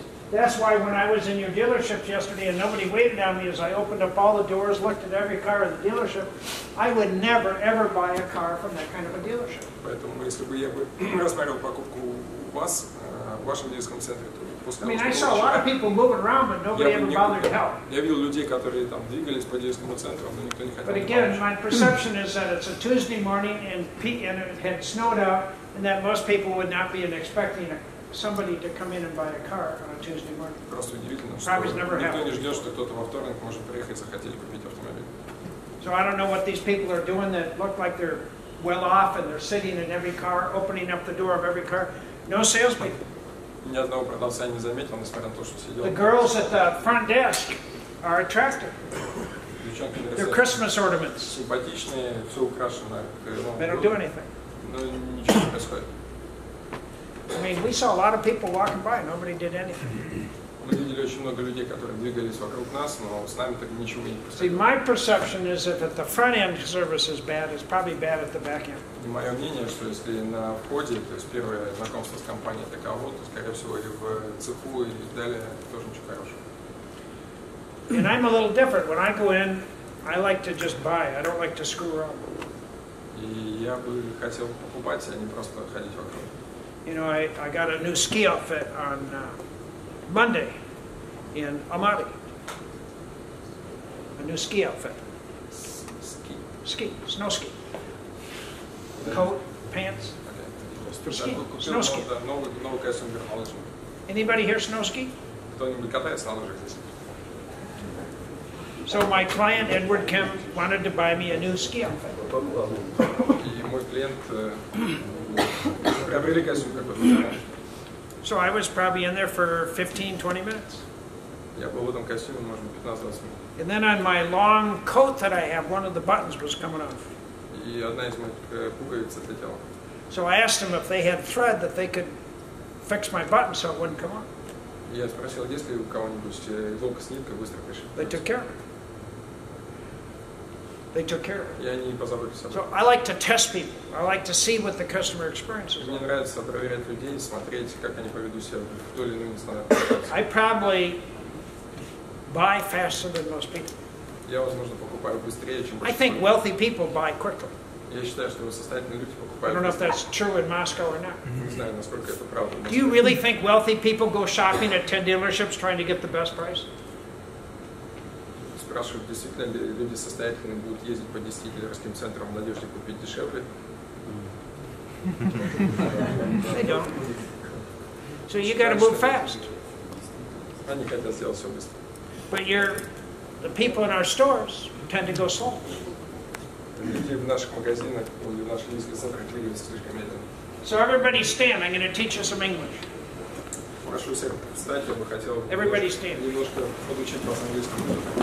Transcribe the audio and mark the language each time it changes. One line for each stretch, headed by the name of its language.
English: That's why when I was in your dealership yesterday and nobody waited on me as I opened up all the doors, looked at every car in the dealership, I would never ever buy a car from that kind of a dealership.
Russian: Поэтому если бы я рассматривал покупку у вас в вашем дилерском центре, то после.
English: I mean, I saw a lot of people moving around, but nobody ever bothered to help.
Russian: Я видел людей, которые там двигались по дилерскому центру, но никто не хотел.
English: But again, my perception is that it's a Tuesday morning and it had snowed out, and that most people would not be expecting somebody to come in and buy a car on a Tuesday morning.
Russian: Просто удивительно, что никто не ждет, что кто-то во вторник может приехать и захотеть купить автомобиль.
English: So I don't know what these people are doing that look like they're well off and they're sitting in every car, opening up the door of every car. No salespeople.
Russian: Ни одного продавца не заметил, несмотря на то, что сидел.
English: The girls at the front desk are attractive.
Russian: Девчонки на
English: They're Christmas ornaments.
Russian: Симпатичные, все украшено.
English: They don't do anything.
Russian: Но ничего не происходит.
English: I mean, we saw a lot of people walking by. Nobody did anything.
Russian: Мы видели очень много людей, которые двигались вокруг нас, но с нами так ничего не происходило.
English: See, my perception is that the front-end service is bad. It's probably bad at the back-end.
Russian: И мое мнение, что если на входе, то есть первое знакомство с компанией таково, то, скорее всего, и в цеху, и далее тоже ничего хорошего.
English: And I'm a little different. When I go in, I like to just buy. I don't like to screw around.
Russian: И я бы хотел покупать, а не просто ходить вокруг.
English: You know, I got a new ski outfit on Monday in Amati. A new ski outfit. Ski. Ski. Snow ski. Coat, pants. Okay. Ski. Snow ski. Anybody here snow ski?
Russian: Кто-нибудь катается на лыжах?
English: So my client Edward Kemp wanted to buy me a new ski outfit.
Russian: И мой клиент приобрели костюм какой-то.
English: So I was probably in there for 15-20 minutes.
Russian: Я был в этом костюме, может быть, 15-20 минут.
English: And then on my long coat that I have, one of the buttons was coming off.
Russian: И одна из моих пуговиц отлетела.
English: So I asked them if they had thread that they could fix my button so it wouldn't come off.
Russian: Я спросил, есть ли у кого-нибудь иголка с ниткой, быстро пришли.
English: They took care of it. They took care of it.
Russian: Я не позабыл.
English: So I like to test people. I like to see what the customer experiences.
Russian: Мне нравится проверять людей, смотреть, как они поведут себя в той или иной ситуации.
English: I probably buy faster than most people.
Russian: Я, возможно, покупаю быстрее, чем.
English: I think wealthy people buy quickly.
Russian: Я считаю, что состоятельные люди покупают.
English: I don't know if that's true in Moscow or not.
Russian: Не знаю, насколько это правда.
English: Do you really think wealthy people go shopping at 10 dealerships trying to get the best price?
Russian: спрашивают, действительно ли люди состоятельные будут ездить по 10 дилерским центрам в надежде купить дешевле.
English: So you got to move fast.
Russian: Они хотят сделать все быстро.
English: But the people in our stores tend to go slow.
Russian: Люди в наших магазинах, люди в наших низких центрах двигаются слишком медленно.
English: So everybody stand, I'm going to teach you some English.
Russian: Прошу всех встать, я бы хотел немножко подучить вас английскому.